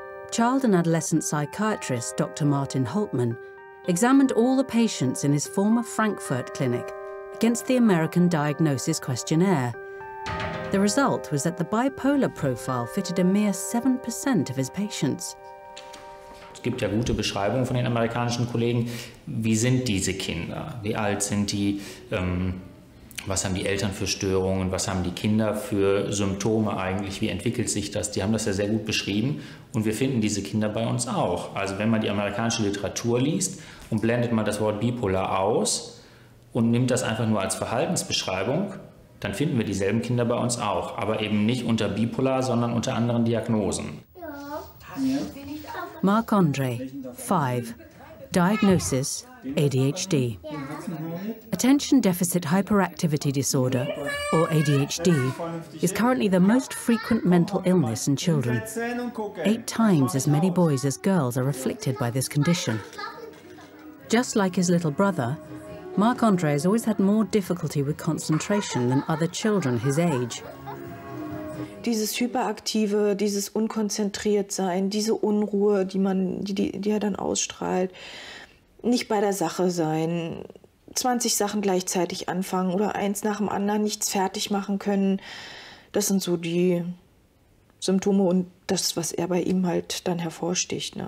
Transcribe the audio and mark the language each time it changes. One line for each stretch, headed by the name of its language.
English: Child and adolescent psychiatrist Dr. Martin Holtman examined all the patients in his former Frankfurt clinic against the American Diagnosis Questionnaire. The result was that the bipolar profile fitted a mere 7% of his patients.
German: Es gibt ja gute Beschreibungen von den amerikanischen Kollegen. Wie sind diese Kinder? Wie alt sind die? Was haben die Eltern für Störungen? Was haben die Kinder für Symptome eigentlich? Wie entwickelt sich das? Die haben das ja sehr gut beschrieben. Und wir finden diese Kinder bei uns auch. Also wenn man die amerikanische Literatur liest und blendet mal das Wort bipolar aus und nimmt das einfach nur als Verhaltensbeschreibung, dann finden wir dieselben Kinder bei uns auch. Aber eben nicht unter bipolar, sondern unter anderen Diagnosen.
English: Marc-André, 5. Diagnosis, ADHD. Attention Deficit Hyperactivity Disorder, or ADHD, is currently the most frequent mental illness in children. 8 times as many boys as girls are afflicted by this condition. Just like his little brother, Marc-André has always had more difficulty with concentration than other children his age.
German: Dieses Hyperaktive, dieses Unkonzentriertsein, diese Unruhe, die er dann ausstrahlt. Nicht bei der Sache sein, 20 Sachen gleichzeitig anfangen oder eins nach dem anderen nichts fertig machen können. Das sind so die Symptome und das, was er bei ihm halt dann hervorsticht, ne?